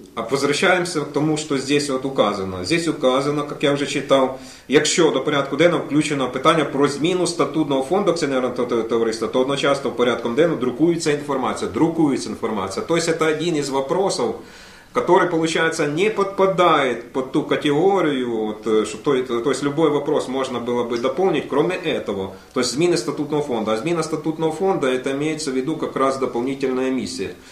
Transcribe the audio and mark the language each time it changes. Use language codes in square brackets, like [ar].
[ru] Возвращаемся к тому, что здесь вот указано. Здесь указано, как я уже читал, [uk] якщо до порядку денного включено питання про зміну статутного фонду акціонерного товариства, то одночасно порядком денного друкується інформація. [ru] То есть это один из вопросов, который, получается, не подпадает под ту категорию, вот, что, то есть любой вопрос можно было бы дополнить, кроме этого, то есть змены статутного фонда. А змена статутного фонда, это имеется в виду как раз дополнительная эмиссия.